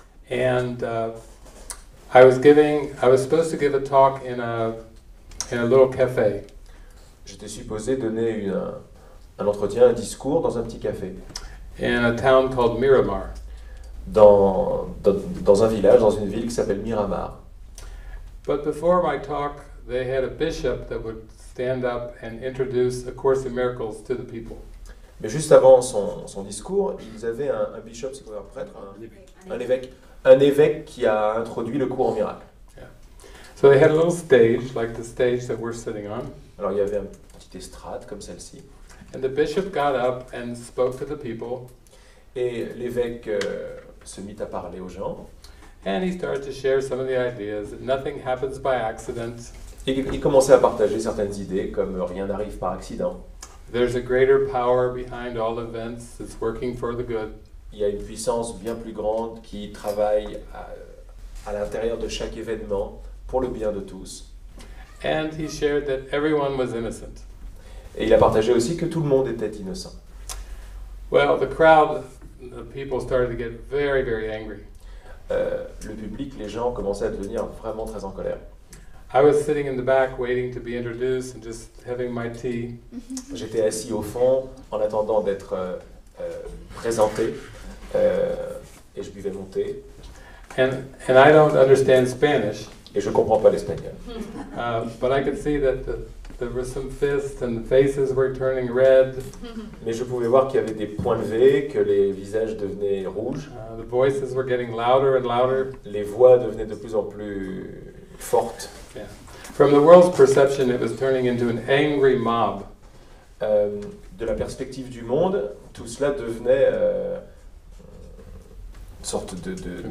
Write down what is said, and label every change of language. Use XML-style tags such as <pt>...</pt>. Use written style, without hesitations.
<en>And I was supposed to give a talk in a little cafe.</en> <fr>J'étais supposé donner un entretien, un discours dans un petit café.</fr> <en>In a town called Miramar.</en> <fr>Dans un village, dans une ville qui s'appelle Miramar.</fr> <en>But before my talk, they had a bishop that would stand up and introduce A Course in Miracles to the people.</en> <fr>Mais juste avant son discours, ils avaient un bishop, c'est quoi, un prêtre, un évêque qui a introduit le cours en miracle.</fr> <en>Yeah. So they had a little stage, like the stage that we're sitting on.</en> <fr>Alors il y avait une petite estrade comme celle-ci.</fr> <en>And the bishop got up and spoke to the people.</en> <fr>Et l'évêque se mit à parler aux gens.</fr> <en>And he started to share some of the ideas. Nothing happens by accident.</en> <fr>Il commençait à partager certaines idées, comme rien n'arrive par accident.</fr> <en>There's a greater power behind all events. It's working for the good.</en> <fr>Il y a une puissance bien plus grande qui travaille à l'intérieur de chaque événement pour le bien de tous.</fr> <en>And he shared that everyone was innocent.</en> <fr>Et il a partagé aussi que tout le monde était innocent.</fr> <en>Well, the crowd, the people started to get very, very angry.</en> <fr>Le public, les gens commençaient à devenir vraiment très en colère.</fr> <en>I was sitting in the back waiting to be introduced and just having my tea.</en> <fr>J'étais assis au fond en attendant d'être présenté et je buvais mon thé.</fr> <en>And I don't understand Spanish.</en> <fr>Et je comprends pas l'espagnol.</fr> <en>But I could see that there were some fists and the faces were turning red.</en> <fr>Mais je pouvais voir qu'il y avait des points levés, que les visages devenaient rouges.</fr> <en>The voices were getting louder and louder.</en> <fr>Les voix devenaient de plus en plus fortes.</fr> <en>Yeah. From the world's perception, it was turning into an angry mob.</en> <fr>De la perspective du monde, tout cela devenait une sorte de</fr>